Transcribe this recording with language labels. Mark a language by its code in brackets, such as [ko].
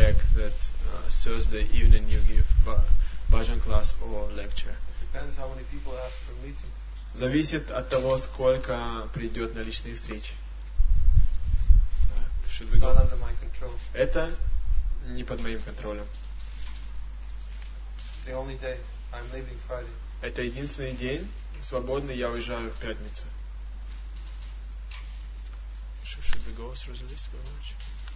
[en] Thursday evening you give bhajan class or lecture. It depends how many people ask for meetings. [ru] Зависит от того, сколько придет на личные встречи. [en] It's not under my control. [ru] Это не под моим контролем. [en] The only day I'm leaving Friday. [ru] Это единственный день свободный, я уезжаю в пятницу. [en] Should we go through the list or not?